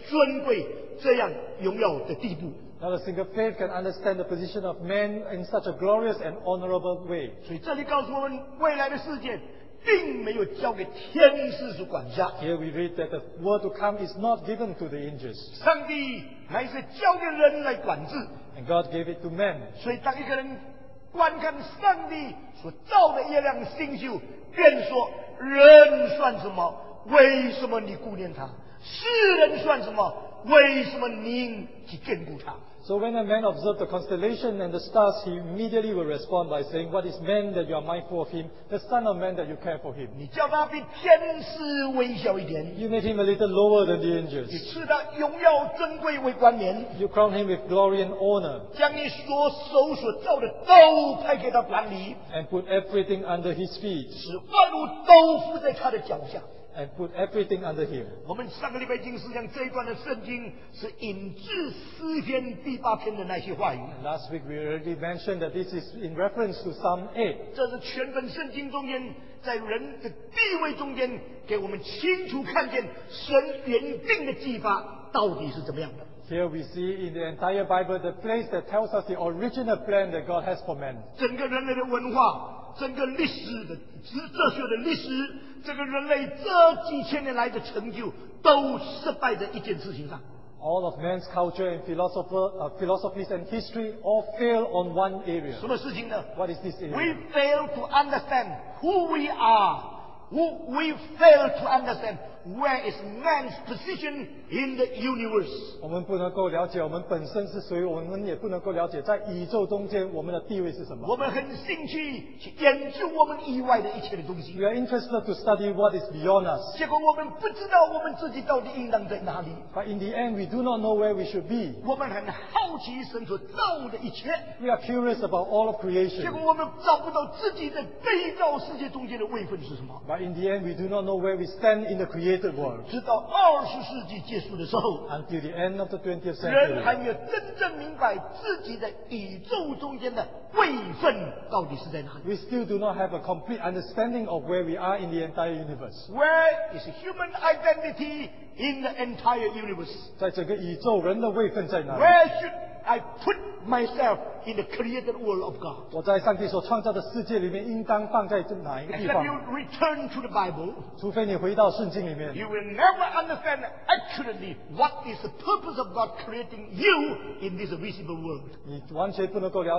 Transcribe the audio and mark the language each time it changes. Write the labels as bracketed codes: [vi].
[zh] 没有一个宗教可以了解人的位分到圣经所提的这样尊贵、这样荣耀的地步。 [en] Not a single faith can understand the position of man in such a glorious and honorable way. [zh] 所以这里告诉我们未来的世界 并没有交给天使所管辖。 [en] Here we read that the world to come is not given to the angels. [zh] 上帝乃是交给人来管制。 [en] And God gave it to men. [zh] 所以当一个人观看上帝所造的月亮星宿，便说：人算什么？为什么你顾念他？世人算什么？为什么您去眷顾他？ [en] So when a man observed the constellation and the stars, he immediately will respond by saying, What is man that you are mindful of him? The son of man that you care for him. [zh] 你叫他比天使微小一点, [en] you made him a little lower than the angels. [zh] 你赐他荣耀尊贵为冠冕, [en] you crown him with glory and honor. [zh] 将你所手所造的都派给他管理, [en] and put everything under his feet. [zh] 使万物都伏在他的脚下, [en] and put everything under him. [zh] 我们上个礼拜已经思想这一段的圣经是引自诗篇第八篇的那些话语。 [en] And last week we already mentioned that this is in reference to Psalm 8. [zh] 这是全本圣经中间在人的地位中间给我们清楚看见神原定的计划到底是怎么样的。 [en] Here we see in the entire Bible the place that tells us the original plan that God has for man. [zh] 整个人类的文化, 整个历史的哲学的历史，这个人类这几千年来的成就，都失败在一件事情上。 [en] All of man's culture and philosophies and history all fail on one area. [zh] 什么事情呢？ [en] What is this area? We fail to understand who we are. We fail to understand where is man's position in the universe. [zh] 我们不能够了解我们本身是谁，我们也不能够了解在宇宙中间我们的地位是什么。我们很兴趣去研究我们以外的一切的东西。 [en] We are interested to study what is beyond us. [zh] 结果我们不知道我们自己到底应当在哪里。 [en] But in the end, we do not know where we should be. [zh] 我们很好奇神所造的一切。 [en] We are curious about all of creation. [zh] 结果我们找不到自己在被造世界中间的位分是什么。 [en] But But in the end, we do not know where we stand in the created world. [zh] 直到20世纪结束的时候, [en] Until the end of the 20th century, [zh] 人还没有真正明白自己的宇宙中间的位分到底是在哪里。 [en] We still do not have a complete understanding of where we are in the entire universe. Where is human identity in the entire universe? [zh] 在整个宇宙人的位分在哪里? [en] Where should I put myself in the created world of God? [zh] 我在上帝所创造的世界里面应当放在哪一个地方? [en] Except you return to the Bible, [zh] 除非你回到圣经里面, [en] you will never understand accurately what is the purpose of God creating you in this visible world.